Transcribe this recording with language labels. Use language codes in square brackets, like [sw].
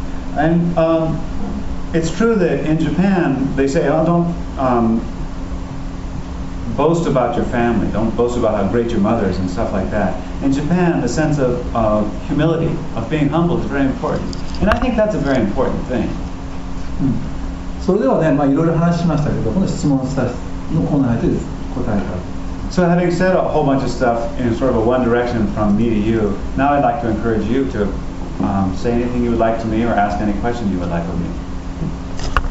[en] And it's true that in Japan they say, oh, don't boast about your family, don't boast about how great your mother is and stuff like that. In Japan, the sense of humility, of being humble, is very important. And I think that's a very important thing.、 [ja] うんそれではね、まあ、いろいろ話しましたけど、この質問のコーナーに入って答えたら。 [en] So having said a whole bunch of stuff in sort of a one direction from me to you, now I'd like to encourage you to say anything you would like to me or ask any question you would like of me.